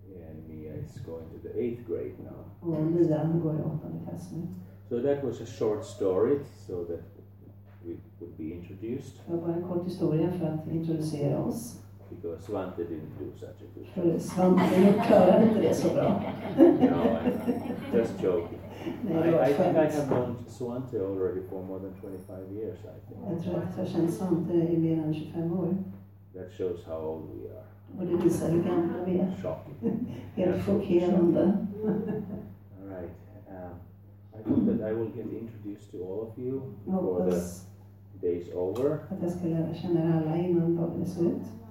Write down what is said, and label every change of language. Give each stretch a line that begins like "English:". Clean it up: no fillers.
English: And Mia is going to the 8th grade now.
Swedish: Och Mia går i 8:e klass nu.
English: So that was a short story, so that we would be introduced.
Swedish: Det var bara en kort historia för att introducera oss.
English: Because Svante didn't do such a good job.
Swedish: För Svante klarade inte det så bra.
English: No, I'm just joking. I think I have known Svante already for more than 25 years, I think.
Swedish: Jag tror att jag känner Svante i mer än 25 år.
English: That shows how old we are.
Swedish: Och det visar hur gamla vi är.
English: Shocking.
Swedish: Helt chockerande.
English: All right. I hope that I will get introduced to all of you before the day's over.
Swedish: Att jag ska lära känna alla innan dagen är slut.